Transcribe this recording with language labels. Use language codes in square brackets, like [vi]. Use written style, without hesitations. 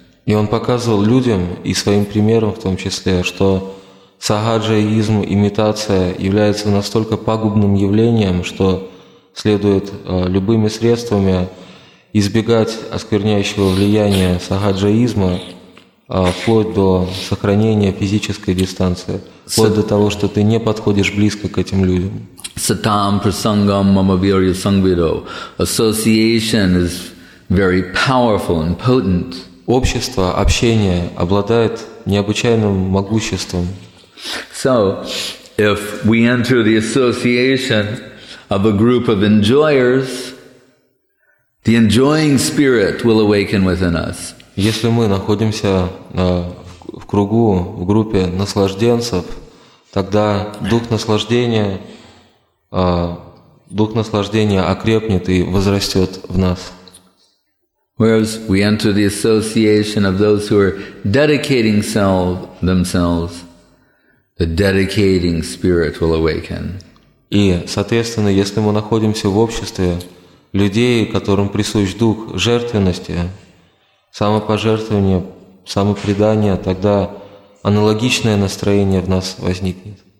[ru] И он показывал людям и своим примером в том числе, что сахаджаизм, имитация является настолько пагубным явлением, что следует любыми средствами избегать оскверняющего влияния сахаджаизма вплоть до сохранения физической дистанции, вплоть до того, что ты не подходишь близко к этим людям. [sa] Satam prasangam mamavirya sangvido. [en] Association is very powerful and potent. [ru] Общество, общение обладает необычайным могуществом. [en] So, if we enter the association of a group of enjoyers, the enjoying spirit will awaken within us. [ru] Если мы находимся в кругу, в группе наслажденцев, тогда дух наслаждения окрепнет и возрастет в нас. [en] Whereas we enter the association of those who are dedicating themselves, the dedicating spirit will awaken. [ru] И, соответственно, если мы находимся в обществе людей, которым присущ дух жертвенности, самопожертвования, самопредания, тогда аналогичное настроение в нас возникнет.